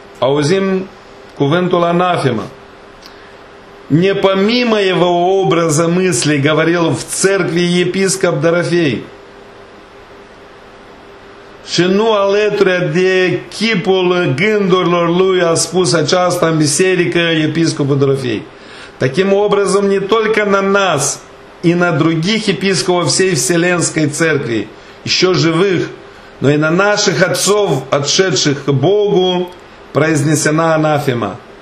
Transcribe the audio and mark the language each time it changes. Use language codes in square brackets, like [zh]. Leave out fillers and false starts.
[ro] Auzim cuvântul anafema. [ru] Не помимо его образа мысли говорил в церкви епископ Дорофей. [ro] Și nu alături de chipul gândurilor lui a spus aceasta în biserică episcopul Дорофей. [ru] Таким образом не только на нас и на других епископов всей Вселенской Церкви, еще живых, но и на наших отцов, отшедших к Богу, произнесена анафема.